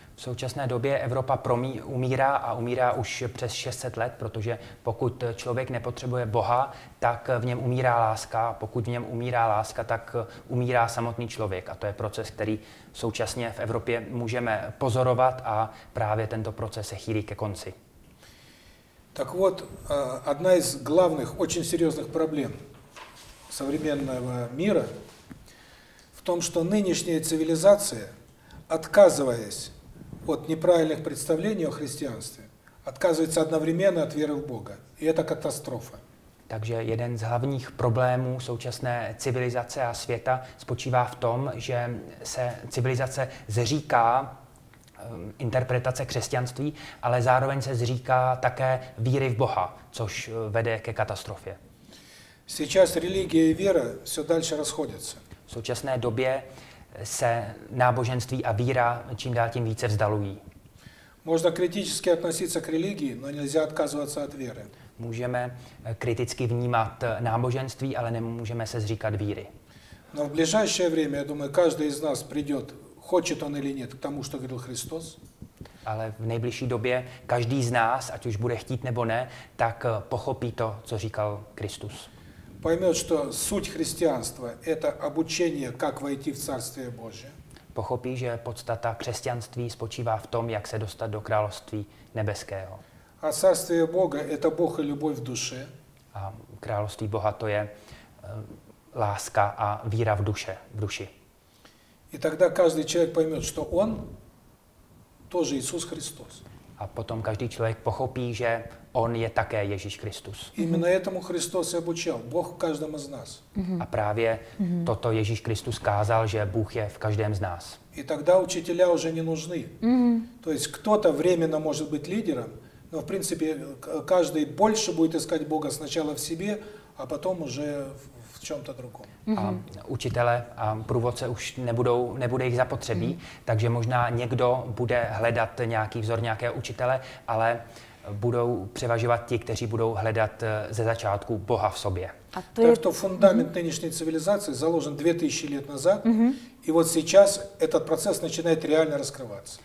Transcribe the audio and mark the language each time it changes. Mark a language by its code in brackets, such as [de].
[cs] V současné době Evropa umírá a umírá už přes 600 let, protože pokud člověk nepotřebuje Boha, tak v něm umírá láska. Pokud v něm umírá láska, tak umírá samotný člověk. A to je proces, který současně v Evropě můžeme pozorovat a právě tento proces se chýlí ke konci. Tak [ru] вот, одна из главных, очень серьезных проблем современного мира в том, что нынешняя цивилизация, отказываясь от неправильных представлений о христианстве, отказывается одновременно от веры в Бога. И это катастрофа. [cs] Takže jeden z hlavních problémů současné civilizace a světa spočívá v tom, že se civilizace zříká interpretace křesťanství, ale zároveň se zříká také víry v Boha, což vede ke katastrofě. [ru] Сейчас религия и вера все дальше расходятся. В современной [cs] době se náboženství a víra čím dál tím více vzdalují. [ru] Можно критически относиться к религии, но нельзя отказываться от веры. [cs] Můžeme kriticky vnímat náboženství, ale nemůžeme se zříkat víry. [ru] Но в ближайшее время, я думаю, каждый из нас придет, хочет он или нет, к тому, что говорил Христос. [cs] Ale v nejbližší době každý z nás, ať už bude chtít nebo ne, tak pochopí to, co říkal Kristus. [ru] Поймет, что суть христианства – это обучение, как войти в Царствие Божие. [cs] Pochopí, že podstata křesťanství spočívá v tom, jak se dostat do království nebeského. [ru] А Царствие Бога – это Бог и любовь в душе. [cs] A království Boha – to je láska a víra v duše, v duši. [ru] И тогда каждый человек поймет, что он тоже Иисус Христос. [cs] A potom každý člověk pochopí, že on je také Ježíš Kristus. [ru] Именно этому Христос и обучал. Бог в каждом из нас. [cs] A právě toto Ježíš Kristus kázal, že Bůh je v každém z nás. [ru] И тогда учителя уже не нужны. То есть кто-то временно может быть лидером, но в принципе каждый больше будет искать Бога сначала в себе, а потом уже в чем-то другом. [cs] A učitele a průvodce už nebude jich zapotřebí, takže možná někdo bude hledat nějaký vzor nějakého učitele, ale budou převažovat ti, kteří budou hledat ze začátku Boha v sobě. A to je to fundament dnešní civilizace, založen 2000 let nazad, i od sečas [ru] этот процесс начинает реально раскрываться.